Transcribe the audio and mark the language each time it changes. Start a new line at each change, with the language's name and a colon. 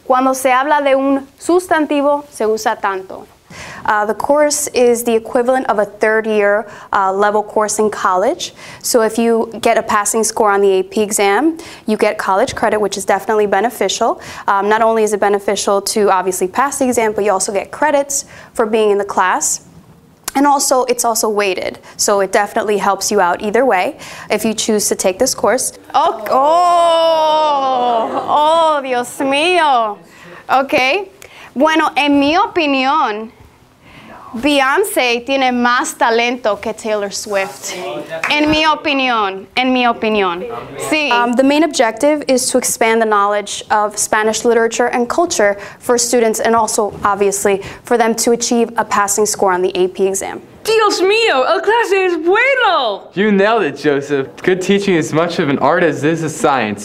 Spanish: Cuando se habla de un sustantivo, se usa tanto.
English: The course is the equivalent of a third year level course in college. So if you get a passing score on the AP exam, you get college credit, which is definitely beneficial. Not only is it beneficial to obviously pass the exam, but you also get credits for being in the class. And also, it's also weighted, so it definitely helps you out either way if you choose to take this course.
Spanish: Oh, Dios mío. Okay. Bueno, en mi opinión, Beyoncé tiene más talento que Taylor Swift. En mi opinión. Sí.
English: The main objective is to expand the knowledge of Spanish literature and culture for students and also, obviously, for them to achieve a passing score on the AP exam.
Spanish: Dios mío, el clase es bueno!
English: You nailed it, Joseph. Good teaching is much of an art as is a science.